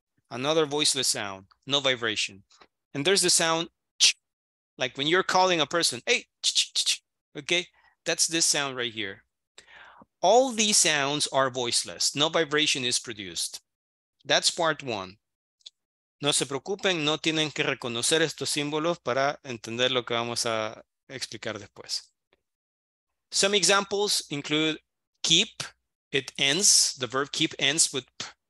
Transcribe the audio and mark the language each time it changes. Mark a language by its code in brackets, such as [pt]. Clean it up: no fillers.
[en] Another voiceless sound, no vibration. And there's the sound ch, like when you're calling a person, hey, ch, ch, ch, ch. Okay, that's this sound right here. All these sounds are voiceless, no vibration is produced. That's part one. [es] No se preocupen, no tienen que reconocer estos símbolos para entender lo que vamos a explicar después. [en] Some examples include keep, it ends, the verb keep ends with p.